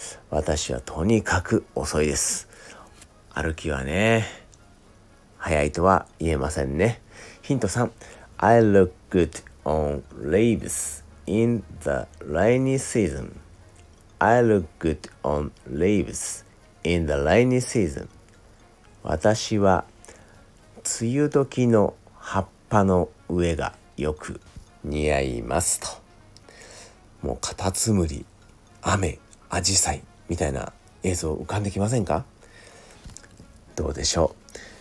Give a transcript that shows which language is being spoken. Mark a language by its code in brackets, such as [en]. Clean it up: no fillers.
[ja] 私はとにかく遅いです。歩きはね、早いとは言えませんね。ヒント3、 [en] I look good on leaves in the rainy season. I look good on leaves in the rainy season. [ja] 私は梅雨時の葉っぱの上がよく似合いますと。もうカタツムリ、雨、アジサイみたいな映像浮かんできませんか？どうでしょう。